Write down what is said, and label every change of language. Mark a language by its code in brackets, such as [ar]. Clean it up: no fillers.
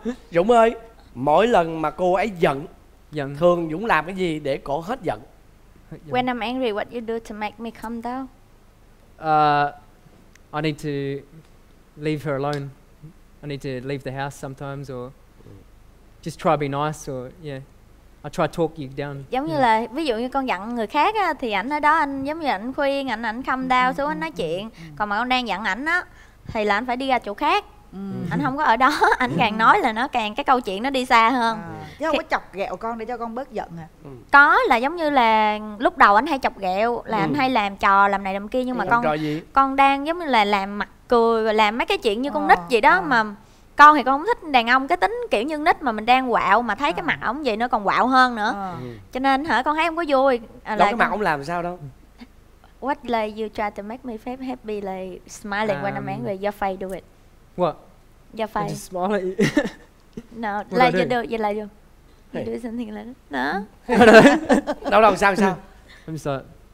[vi] Dũng ơi, mỗi lần mà cô ấy giận, giận, thường Dũng làm cái gì để cô hết giận? [en] When I'm angry, what you do to make me calm down? I need to leave her alone. I need to leave the house sometimes or just try to be nice or yeah. I try to talk you down. [vi] Giống như là ví dụ như con giận người khác á, thì ảnh ở đó anh giống như ảnh khuyên, ảnh [en] calm down [vi] xuống ảnh nói chuyện. Còn mà con đang giận ảnh á thì là ảnh phải đi ra chỗ khác. Ảnh không có ở đó, ảnh càng nói là nó càng cái câu chuyện nó đi xa hơn. Chứ không có chọc ghẹo con để cho con bớt giận hả? Có, là giống như là lúc đầu ảnh hay chọc ghẹo là ảnh hay làm trò làm này làm kia, nhưng mà con đang giống như là làm mặt cười và làm mấy cái chuyện như con nít vậy đó. Mà con thì con không thích đàn ông cái tính kiểu như nít, mà mình đang quạo mà thấy cái mặt ổng vậy nó còn quạo hơn nữa. Cho nên hả, con thấy không có vui. Cái mặt ổng làm sao đâu. [en] What like you try to make me happy, like smiling when I'm angry, your face do it. What? Your face. Just smile at you. No, what like you do, you like you. You do something like that. No. [vi] Đâu đâu, sao sao? [en] I'm sorry.